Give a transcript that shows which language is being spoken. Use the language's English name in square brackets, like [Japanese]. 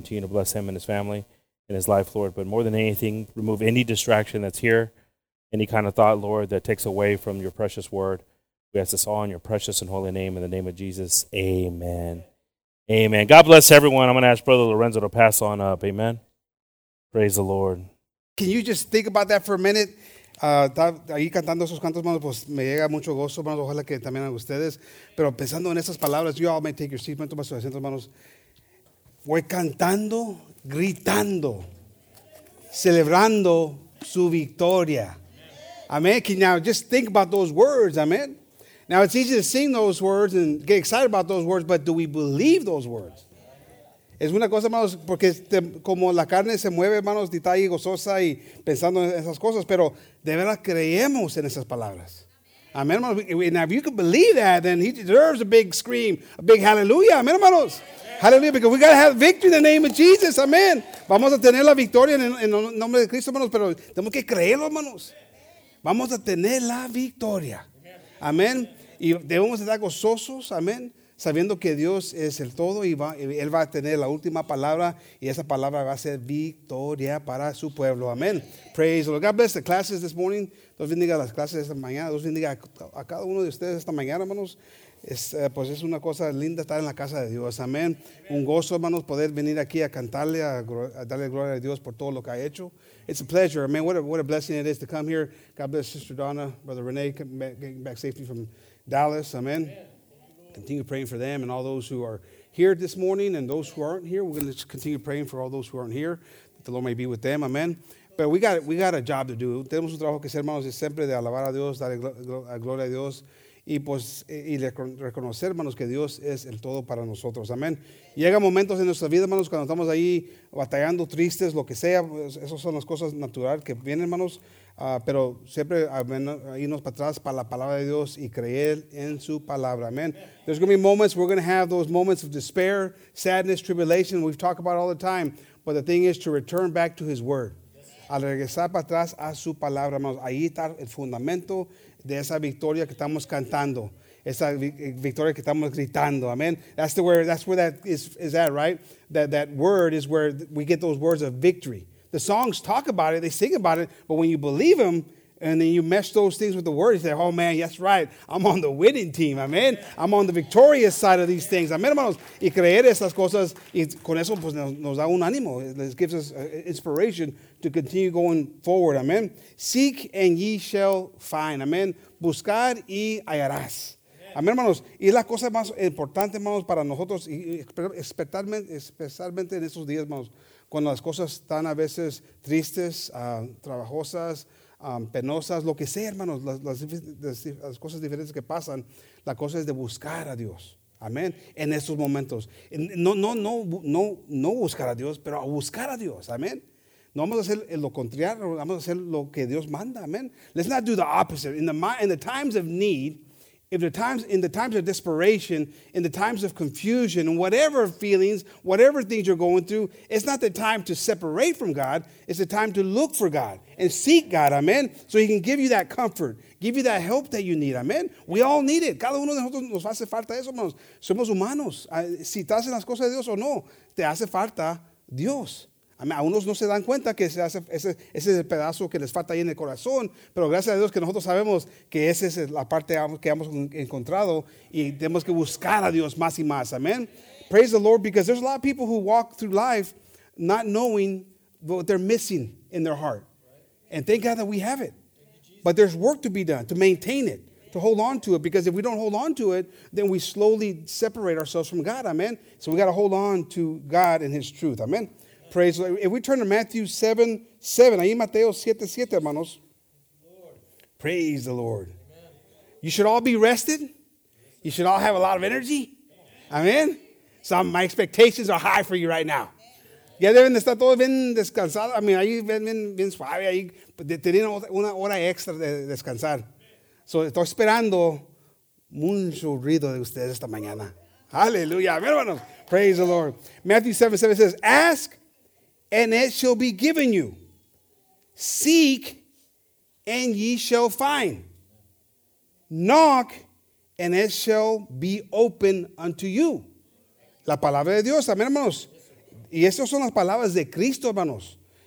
[English] Continue to bless him and his family and his life, Lord. But more than anything, remove any distraction that's here, any kind of thought, Lord, that takes away from your precious word. We ask this all in your precious and holy name, in the name of Jesus. Amen. Amen. God bless everyone. I'm going to ask Brother Lorenzo to pass on up. Amen. Praise the Lord. Can you just think about that for a minute? [Spanish] Ahí cantando esos cantos, hermanos, pues me llega mucho gozo, hermanos, ojalá que también a ustedes. Pero pensando en esas palabras, [English] you all may take your seat, [Spanish] tomar sus asientos, hermanos. [English] We're [Spanish] cantando, gritando, celebrando su victoria. Amen. [English] Can you now just think about those words, amen? Now, it's easy to sing those words and get excited about those words, but do we believe those words? [Spanish] Es una cosa, hermanos, porque como la carne se mueve, hermanos, está ahí gozosa y pensando en esas cosas, pero de verdad creemos en esas palabras. Amén, hermanos. [English] And if you can believe that, then he deserves a big scream, a big hallelujah. [Spanish] Amén, hermanos. [English] Hallelujah, because we got to have victory in the name of Jesus. [Spanish] Amén. Vamos a tener la victoria en el nombre de Cristo, hermanos, pero tenemos que creerlo, hermanos. Vamos a tener la victoria. Amén. Y debemos estar gozosos, amén, sabiendo que Dios es el todo y Él va a tener la última palabra y esa palabra va a ser victoria para su pueblo. Amén. [English] Praise the Lord. God bless the classes this morning. [Spanish] Dios bendiga las clases esta mañana. Dios bendiga a cada uno de ustedes esta mañana, hermanos. Pues es una cosa linda estar en la casa de Dios. Amén. Un gozo, hermanos, poder venir aquí a cantarle, a darle gloria a Dios por todo lo que ha hecho. [English] It's a pleasure. Amén. What a blessing it is to come here. God bless Sister Donna, Brother Renee, getting back safely from Dallas. Amén. Continue praying for them and all those who are here this morning and those who aren't here. We're going to just continue praying for all those who aren't here, that the Lord may be with them. Amen. But we got a job to do. [Spanish] Tenemos un trabajo que hacer, hermanos, siempre de alabar a Dios, dar gloria a Dios, y pues y reconocer, hermanos, que Dios es el todo para nosotros. Amen. Llega momentos en nuestra vida, hermanos, cuando estamos ahí batallando, tristes, lo que sea. Esas son las cosas naturales que vienen, hermanos. Pero siempre irnos para atrás para la palabra de Dios y creer en su palabra. Amen. [English] There's going to be moments, we're going to have those moments of despair, sadness, tribulation. We've talked about it all the time. But the thing is to return back to his word. [Spanish] Al regresar para atrás a su palabra, hermanos. Ahí está el fundamento de esa victoria que estamos cantando. Esa victoria que estamos gritando. Amen. [English] That's where that is at, right? That word is where we get those words of victory. The songs talk about it, they sing about it, but when you believe them and then you mesh those things with the word, you say, oh man, yes, right, I'm on the winning team, amen. I'm on the victorious side of these things, amen, hermanos. [Spanish] Y creer estas cosas, y con eso pues nos da un ánimo, [English] it gives us inspiration to continue going forward, amen. Seek and ye shall find, amen. [Spanish] Buscar y hallarás. Amén, hermanos. Y la cosa más importante, hermanos, para nosotros, especialmente en estos días, hermanos, cuando las cosas están a veces tristes, trabajosas, penosas, lo que sea, hermanos, las cosas diferentes que pasan, la cosa es de buscar a Dios. Amén. En estos momentos. No buscar a Dios, pero a buscar a Dios. Amén. No vamos a hacer lo contrario, vamos a hacer lo que Dios manda. [English] Amén. Let's not do the opposite. In the times of need, in the times of desperation, in the times of confusion, whatever feelings, whatever things you're going through, it's not the time to separate from God. It's the time to look for God and seek God, amen, so he can give you that comfort, give you that help that you need, amen. We all need it. [Spanish] Cada uno de nosotros nos hace falta eso, hermanos. Somos humanos. Si estás en las cosas de Dios o no, te hace falta Dios. A unos no se dan cuenta que se hace ese es el pedazo que les falta ahí en el corazón, pero gracias a Dios que nosotros sabemos que esa es la parte que hemos encontrado y tenemos que buscar a Dios más y más. Amen. [English] Praise the Lord, because there's a lot of people who walk through life not knowing what they're missing in their heart. And thank God that we have it. But there's work to be done to maintain it, to hold on to it, because if we don't hold on to it, then we slowly separate ourselves from God. Amen. So we got to hold on to God and his truth. Amen. Praise. If we turn to Matthew 7:7, [Spanish] ahí Mateo 7:7, hermanos. [English] Praise the Lord. Amen. You should all be rested. You should all have a lot of energy. Amen. So my expectations are high for you right now. [Spanish] Ya deben estar todos bien descansados. [English] I mean, [Spanish] ahí bien suave. Ahí tienen una hora extra de descansar. So estoy esperando mucho ruido de ustedes esta mañana. [English] Hallelujah. Hermanos, praise the Lord. Matthew 7:7 says, ask and it shall be given you. Seek and ye shall find. Knock and it shall be open unto you. [Spanish] La palabra de Dios, amén, hermanos. Y esas son las palabras de Cristo, hermanos.